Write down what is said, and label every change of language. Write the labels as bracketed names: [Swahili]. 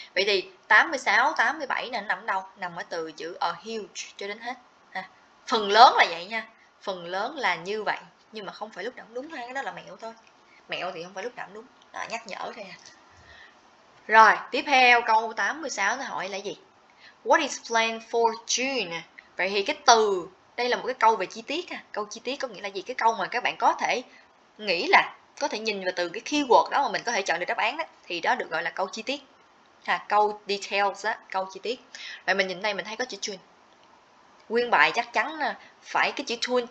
[Vietnamese] Vậy thì 86, 87 này nó nằm đâu? Nằm ở từ chữ a huge cho đến hết. Phần lớn là vậy nha. Phần lớn là như vậy. Nhưng mà không phải lúc nào cũng đúng ha. Cái đó là mẹo thôi. Mẹo thì không phải lúc nào cũng đúng. Đó, nhắc nhở thôi nha. Rồi, tiếp theo câu 86 nó hỏi là gì? [English] What is planned for June? [Vietnamese] Vậy thì cái từ, đây là một cái câu về chi tiết ha. Câu chi tiết có nghĩa là gì? Cái câu mà các bạn có thể nghĩ là có thể nhìn vào từ cái keyword đó mà mình có thể chọn được đáp án đó, thì đó được gọi là câu chi tiết ha, câu details á, câu chi tiết. Vậy mình nhìn đây mình thấy có chữ tune, nguyên bài chắc chắn là phải cái chữ tune.